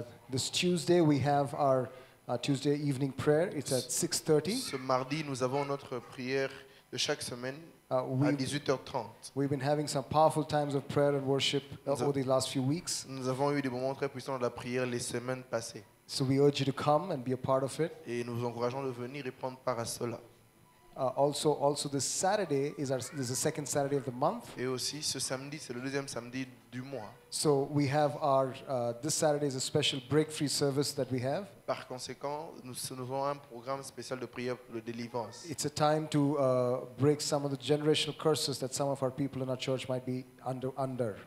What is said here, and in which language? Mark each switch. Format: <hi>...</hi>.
<en>This Tuesday we have our Tuesday evening prayer. It's at 6:30.</en> <fr>Ce mardi nous avons notre prière de chaque semaine à 18h30.</fr> <en>We've been having some powerful times of prayer and worship over the last few weeks.</en> <fr>Nous avons eu des moments très puissants de la prière les semaines passées.</fr> <en>So we urge you to come and be a part of it.</en> <fr>Et nous vous encourageons de venir et prendre part à cela.</fr> <en>Also this Saturday is the second Saturday of the month.</en> <fr>Et aussi ce samedi, c'est le deuxième samedi du mois.</fr> <en>So we have our this Saturday is a special break free service that we have.</en> <fr>Par conséquent, nous avons un programme spécial de prière pour la délivrance.</fr> <en>It's a time to break some of the generational curses that some of our people in our church might be under.</en>